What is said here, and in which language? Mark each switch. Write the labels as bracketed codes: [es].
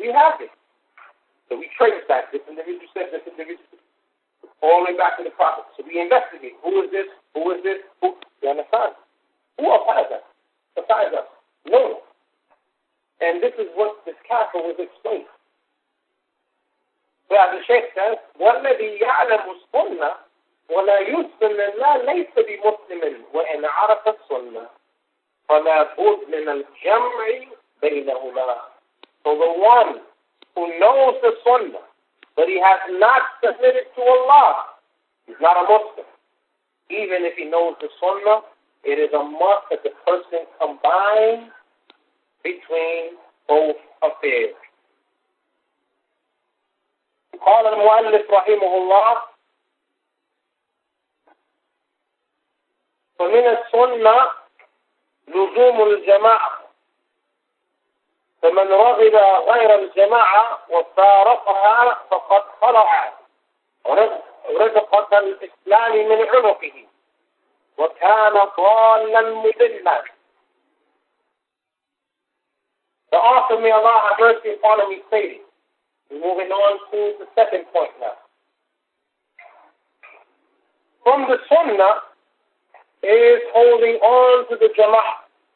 [en] We have it. So we trace back this individual, said this individual, all the way back to the Prophet. So we investigate. Who is this? Who is this? Who? You understand? Who applies that? Besides us? No. And this is what this castle was explaining. Well, the Shaykh says, [ar] وَالَّذِي يَعْلَمُ السُّنَّةِ ولا يسلم الله ليس بمسلم وإن عرف السنة فلا بد من الجمع بينهما. [en] So the one who knows the Sunnah, but he has not submitted to Allah, he's not a Muslim. Even if he knows the Sunnah, it is a must that the person combine between both affairs. [ar] قال المؤلف رحمه الله فمن السنة لزوم الجماعة فمن رغب غير الجماعة وفارقها فقد خلع رزقة الإسلام من عنقه وكان ضالا مذلا. [en] The author may Allah have mercy upon him, he stated. We're moving on to the second point now. From the Sunnah is holding on to the jama'ah.